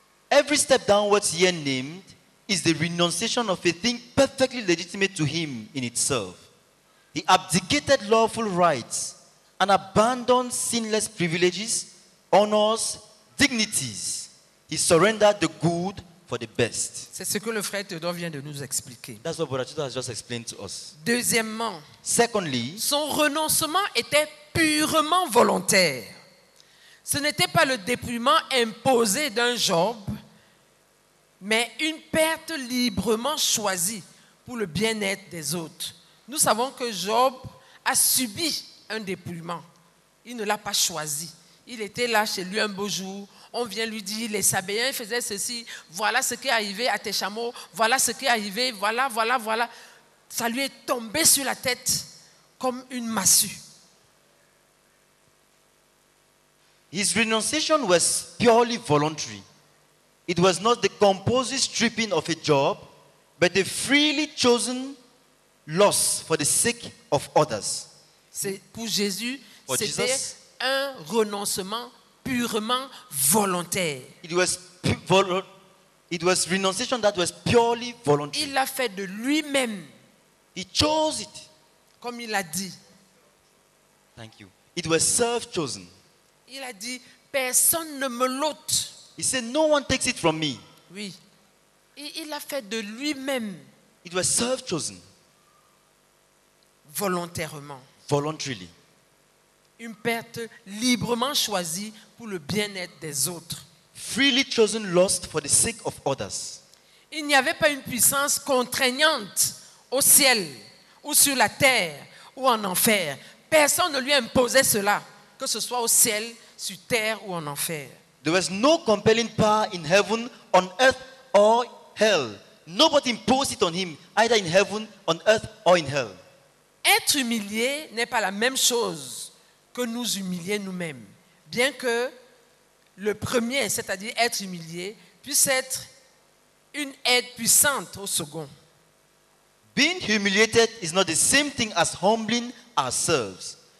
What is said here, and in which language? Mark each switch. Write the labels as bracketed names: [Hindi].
[English] Every step downwards here named is the renunciation of a thing perfectly legitimate to him in itself. He abdicated lawful rights and abandoned sinless privileges, honors, dignities, He surrendered the good for the best. [French] C'est ce que le frère Théodore vient de nous expliquer. [English] That's what Brother Theodore has just explained to us. [French] Deuxièmement, [English] secondly, [French] son renoncement était purement volontaire. Ce n'était pas le dépouillement imposé d'un Job, mais une perte librement choisie pour le bien-être des autres. Nous savons que Job a subi un dépouillement. Il ne l'a pas choisi. Il était là chez lui un beau jour. On vient lui dire, les Sabéens faisaient ceci. Voilà ce qui est arrivé à tes chameaux. Voilà ce qui est arrivé. Voilà, voilà, voilà. Ça lui est tombé sur la tête comme une massue. [English] His renunciation was purely voluntary. It was not the composite stripping of a job, but a freely chosen loss for the sake of others. [French] C'est pour Jésus, for c'était Jesus, un renoncement purement volontaire. [English] It was renunciation that was purely voluntary. [French] Il l'a fait de lui-même. [English] He chose it. [French] Comme il l'a dit. [English] Thank you. It was self-chosen. [French] Il a dit, personne ne me l'ôte. [English] He said, no one takes it from me. [French] Oui. Il l'a fait de lui-même. [English] It was self-chosen. [French] Volontairement. [English] Voluntarily. [French] Une perte librement choisie pour le bien-être des autres. [English] Freely chosen lost for the sake of others. [French] Il n'y avait pas une puissance contraignante au ciel ou sur la terre ou en enfer. Personne ne lui imposait cela, que ce soit au ciel, sur terre ou en enfer. [English] There was no compelling power in heaven, on earth or hell. Nobody imposed it on him, either in heaven, on earth or in hell. [French] Être humilié n'est pas la même chose que nous humilier nous-mêmes. Bien que le premier, c'est-à-dire être humilié, puisse être une aide puissante au second. [English] Being humiliated is not the same thing as humbling ourselves.